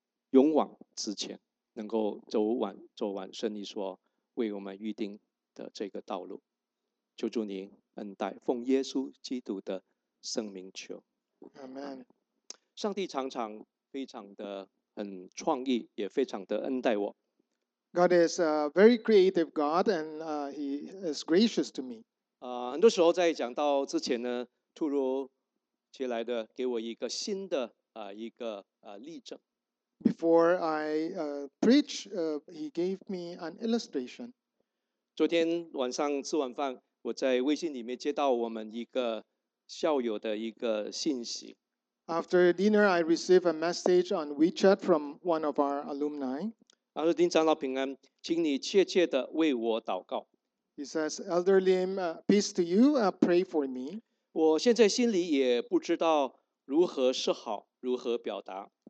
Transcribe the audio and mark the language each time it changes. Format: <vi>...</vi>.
<zh>勇往直前，能够走完圣你所为我们预定的这个道路，求主你恩待，奉耶稣基督的圣名求，</zh> <en>Amen.</en> <zh>上帝常常。非常的很创意，也非常的恩待我。</zh> <en>God is a very creative God, and He is gracious to me.</en> <zh>很多时候在讲到之前呢，突如其来的给我一个新的一个例证。</zh> <en>Before I preach, He gave me an illustration.</en> <zh>昨天晚上吃完饭，我在微信里面接到我们一个校友的一个信息。</zh> <en>After dinner, I received a message on WeChat from one of our alumni.</en> <zh>他说：“丁长老平安，请你切切的为我祷告。”</zh> <en>He says, "Elder Lim, peace to you. Pray for me."</en> <zh>我现在心里也不知道如何是好，如何表达。</zh>